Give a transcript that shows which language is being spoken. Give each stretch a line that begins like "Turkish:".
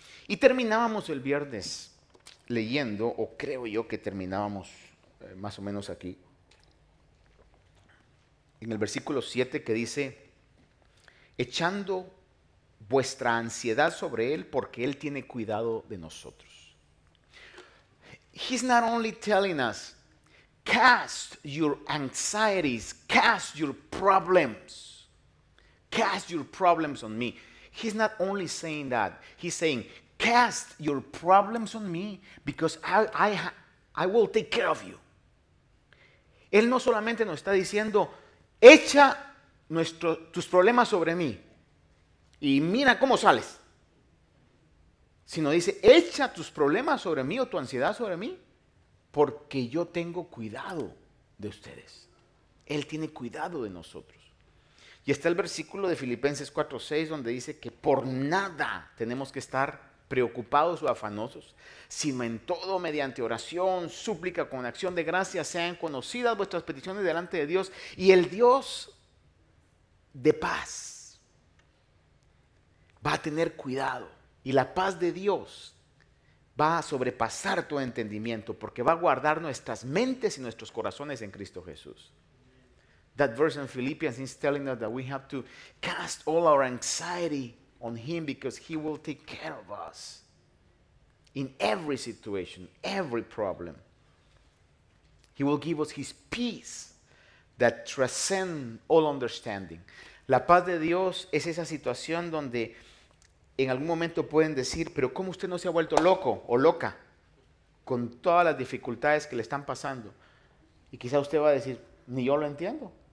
Spanish: Y terminábamos el viernes leyendo, o creo yo que terminábamos más o menos aquí, en el versículo 7, que dice: echando vuestra ansiedad sobre Él, porque Él tiene cuidado de nosotros.
English: He's not only telling us, cast your anxieties, cast your problems on me. He's not only saying that, He's saying, cast your problems on me, because I will take care of you.
Spanish: Él no solamente nos está diciendo, echa tus problemas sobre mí y mira cómo sales, sino dice, echa tus problemas sobre mí o tu ansiedad sobre mí, porque yo tengo cuidado de ustedes. Él tiene cuidado de nosotros. Y está el versículo de Filipenses 4:6, donde dice que por nada tenemos que estar preocupados o afanosos, sino en todo mediante oración, súplica, con acción de gracias sean conocidas vuestras peticiones delante de Dios, y el Dios de paz va a tener cuidado, y la paz de Dios va a sobrepasar tu entendimiento, porque va a guardar nuestras mentes y nuestros corazones en Cristo Jesús.
English: That verse in Philippians is telling us that we have to cast all our anxiety on Him, because He will take care of us in every situation, every problem. He will give us His peace that transcends all understanding.
Spanish: La paz de Dios es esa situación donde en algún momento pueden decir, pero ¿cómo usted no se ha vuelto loco o loca con todas las dificultades que le están pasando? Y quizá usted va a decir, ni yo lo entiendo.